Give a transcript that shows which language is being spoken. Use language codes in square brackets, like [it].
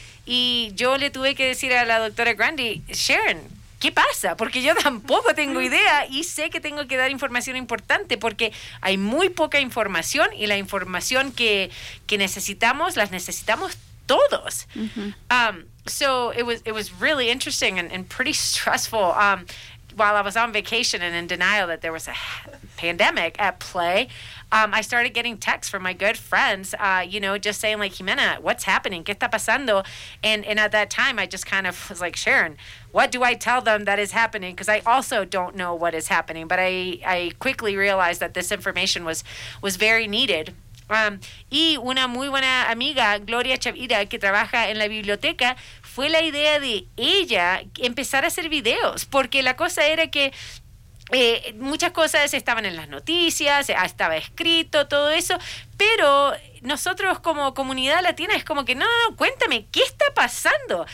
[es] Y yo le tuve que decir a la doctora Grundy, Sharon, ¿qué pasa? Porque yo tampoco tengo idea y sé que tengo que dar información importante porque hay muy poca información y la información que necesitamos, las necesitamos todos. Mm-hmm. [en] So it was really interesting and pretty stressful while I was on vacation and in denial that there was a pandemic at play. I started getting texts from my good friends, you know, just saying like, Jimena, what's happening? [es] ¿Qué está pasando? [en] And at that time, I just kind of was like, Sharon, what do I tell them that is happening? Because I also don't know what is happening. But I quickly realized that this information was very needed. [es] Y una muy buena amiga, Gloria Chavira, que trabaja en la biblioteca, fue la idea de ella empezar a hacer videos. Porque la cosa era que muchas cosas estaban en las noticias, estaba escrito, todo eso, pero nosotros como comunidad latina es como que, no, cuéntame, ¿qué está pasando?